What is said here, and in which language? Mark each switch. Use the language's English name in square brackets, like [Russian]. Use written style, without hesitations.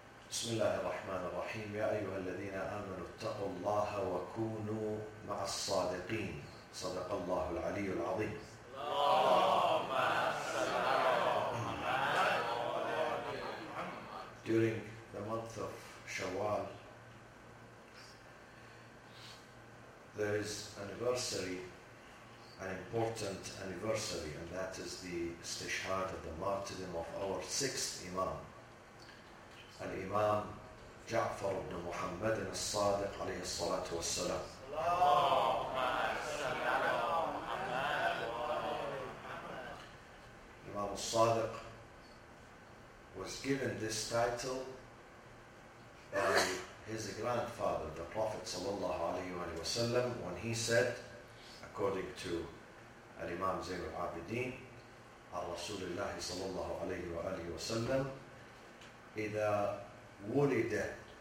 [Arabic] بسم الله الرحمن الرحيم. يا أيها الذين آمنوا اتقوا الله وكونوا مع الصادقين. صدق الله العلي العظيم. اللهم صل على محمد وعلى آل محمد. [English] During the month of Shawwal, there is anniversary, an important anniversary, and that is the istishhad, the martyrdom of our sixth Imam, الإمام جعفر بن محمد الصادق [Arabic] عليه الصلاة والسلام. اللهم صل على محمد وعلى محمد. الإمام الصادق [English] was given this title by his grandfather, the Prophet صلى الله عليه وآله وسلم, when he said, according to [Arabic] الإمام زين العابدين, على رسول الله صلى الله عليه وآله وسلم, إذا ولد